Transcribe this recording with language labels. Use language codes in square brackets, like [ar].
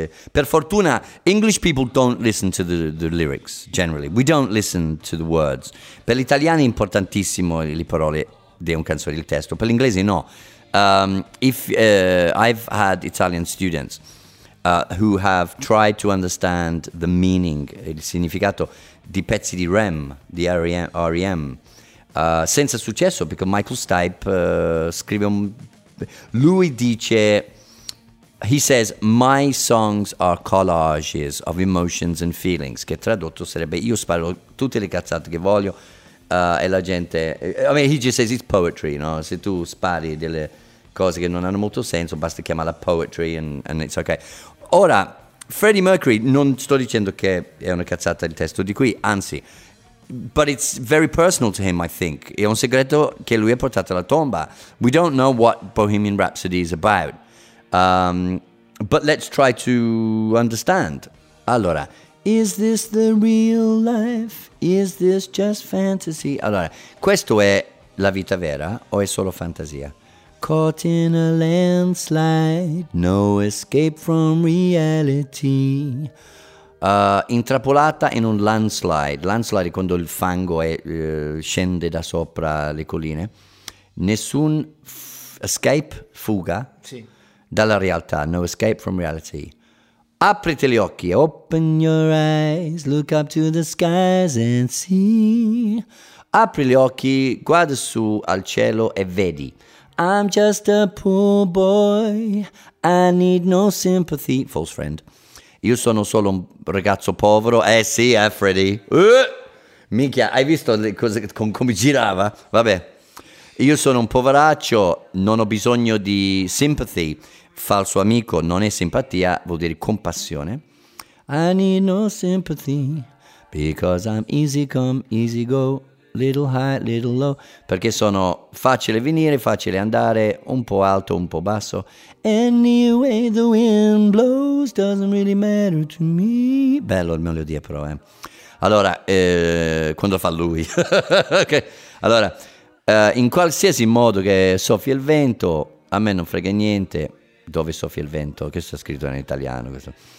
[it] Per fortuna, [en] English people don't listen to the lyrics, generally. We don't listen to the words. [it] Per l'italiano è importantissimo le parole di un canzone, il testo. Per l'inglese, no. [en] I've had Italian students... who have tried to understand the meaning, [it] il significato di pezzi di REM, di R.E.M., senza successo, perché Michael Stipe scrive un... Lui dice... [en] He says, my songs are collages of emotions and feelings, [it] che tradotto sarebbe, io sparo tutte le cazzate che voglio, e la gente... [en] I mean, he just says, it's poetry, no? [it] Se tu spari delle cose che non hanno molto senso, basta chiamarla poetry [en] and it's okay. [it] Ora, Freddie Mercury, non sto dicendo che è una cazzata il testo di qui, anzi, [en] but it's very personal to him, I think. [it] È un segreto che lui ha portato alla tomba. [en] We don't know what Bohemian Rhapsody is about, but let's try to understand. [it] Allora, [en] is this the real life? Is this just fantasy? [it] Allora, questo è la vita vera o è solo fantasia? [en] Caught in a landslide, no escape from reality. [it] Intrappolata in un landslide. Landslide è quando il fango scende da sopra le colline. Nessun escape, fuga, sì, dalla realtà. [en] No escape from reality. [it] Aprite gli occhi. [en] Open your eyes, look up to the skies and see. [it] Apri gli occhi, guarda su al cielo e vedi. [en] I'm just a poor boy, I need no sympathy. False friend. [it] Io sono solo un ragazzo povero. Sì, Freddy. Minchia, hai visto le cose come girava? Vabbè. Io sono un poveraccio, non ho bisogno di sympathy. Falso amico, non è simpatia, vuol dire compassione. [en] I need no sympathy, because I'm easy come, easy go. Little high, little low, [it] perché sono facile venire, facile andare, un po' alto, un po' basso. [en] Anyway the wind blows, doesn't really matter to me. [it] Bello il melodia però, Allora, quando fa lui? Okay. Allora, in qualsiasi modo che soffia il vento, a me non frega niente, dove soffia il vento, questo è scritto in italiano, questo.